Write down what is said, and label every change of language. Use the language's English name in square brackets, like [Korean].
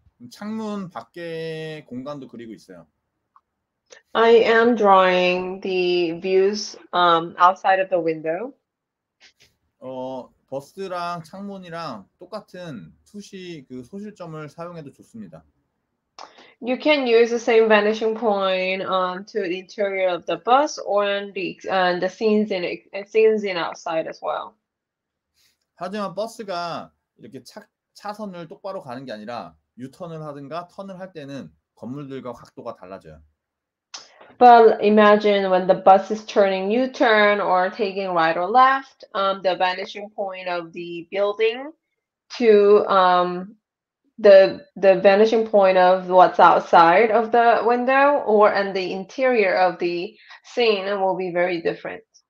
[Korean] 창문 밖에 공간도 그리고 있어요. [English] I am drawing the views outside of the window. [Korean] 버스랑 창문이랑 똑같은 투시 그 소실점을 사용해도 좋습니다. [English] You can use the same vanishing point to the interior of the bus or the scenes in outside as well. [Korean] 하지만 버스가 이렇게 차선을 똑바로 가는 게 아니라 유턴을 하든가 턴을 할 때는 건물들과 각도가 달라져요. [English] But imagine when the bus is turning U-turn or taking right or left, the vanishing point of the building to the vanishing point of what's outside of the window or in the interior of the scene will be very different.